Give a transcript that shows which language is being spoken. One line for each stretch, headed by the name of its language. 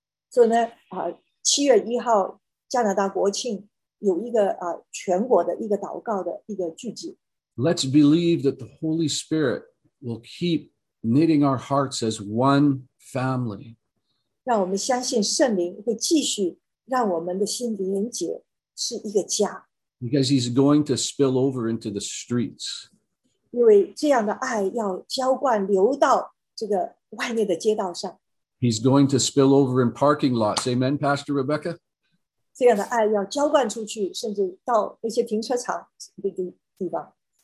Chinese: 所以呢，七月一号加拿大国庆有一个全国的一个祷告的一个聚集。
English: Let's believe that the Holy Spirit will keep knitting our hearts as one family.
Chinese: 让我们相信圣灵会继续让我们的心连结是一个家。
English: Because he's going to spill over into the streets.
Chinese: 因为这样的爱要浇灌流到这个外面的街道上。
English: He's going to spill over in parking lots. Amen, Pastor Rebecca?
Chinese: 这样的爱要浇灌出去, 甚至到那些停车场的地方。